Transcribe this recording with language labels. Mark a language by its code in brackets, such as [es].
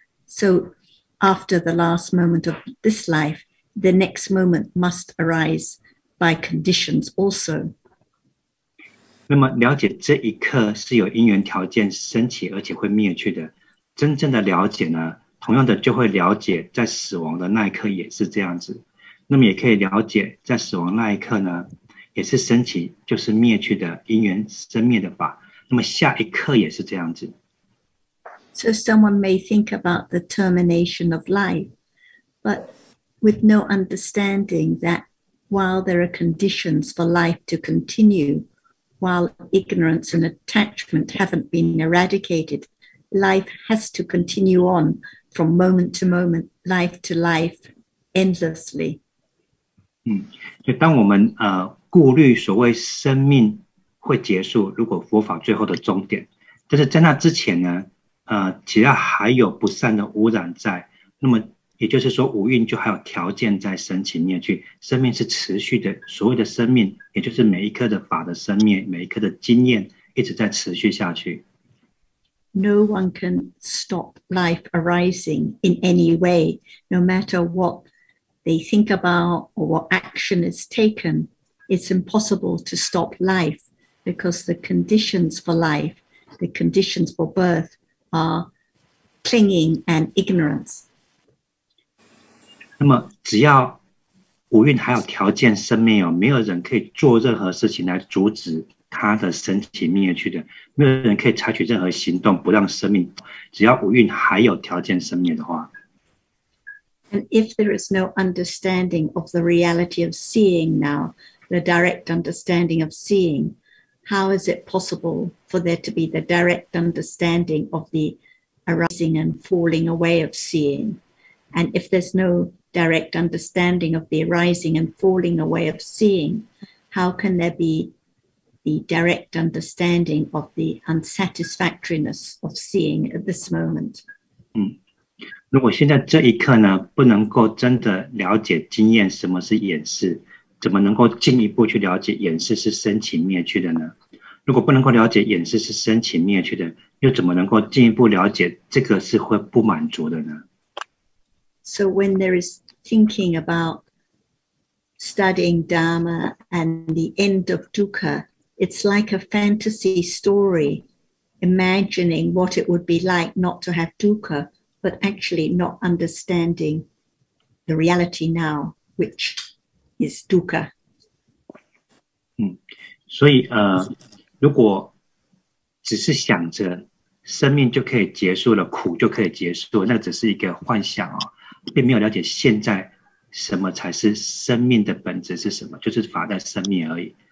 [en] So after the last moment of this life, the next moment must arise by conditions also. [zh] 那么了解这一刻是有因缘条件升起而且会灭去的，真正的了解呢，同样的就会了解在死亡的那一刻也是这样子，那么也可以了解在死亡那一刻呢，也是升起就是灭去的因缘生灭的法，那么下一刻也是这样子。 [en] So someone may think about the termination of life, but with no understanding that while there are conditions for life to continue, while ignorance and attachment haven't been eradicated, life has to continue on from moment to moment, life to life, endlessly. [zh] 就当我们顾虑所谓生命会结束，如果佛法最后的终点，但是在那之前呢，只要还有不善的污染在，那么也就是说五蕴就还有条件在升起灭去，生命是持续的，所谓的生命也就是每一刻的法的生命，每一刻的经验一直在持续下去。 [en] No one can stop life arising in any way, no matter what they think about or what action is taken, it's impossible to stop life because the conditions for life, the conditions for birth are clinging and ignorance. [zh] 那么只要五蕴还有条件生灭，没有人可以做任何事情来阻止它的升起灭去的，没有人可以采取任何行动不让生命，只要五蕴还有条件生灭的话。 [en] And if there is no understanding of the reality of seeing now, the direct understanding of seeing, how is it possible for there to be the direct understanding of the arising and falling away of seeing? And if there's no direct understanding of the arising and falling away of seeing, how can there be the direct understanding of the unsatisfactoriness of seeing at this moment? [zh] 如果现在这一刻呢，不能够真的了解经验什么是眼识，怎么能够进一步去了解眼识是生起灭去的呢？如果不能够了解眼识是生起灭去的，又怎么能够进一步了解这个是会不满足的呢？ [en] So when there is thinking about studying Dharma and the end of dukkha, it's like a fantasy story, imagining what it would be like not to have dukkha, but actually not understanding the reality now, which is dukkha. [zh] 所以如果只是想着生命就可以结束了，苦就可以结束，那只是一个幻想哦，并没有了解现在什么才是生命的本质是什么，就是法的生命而已。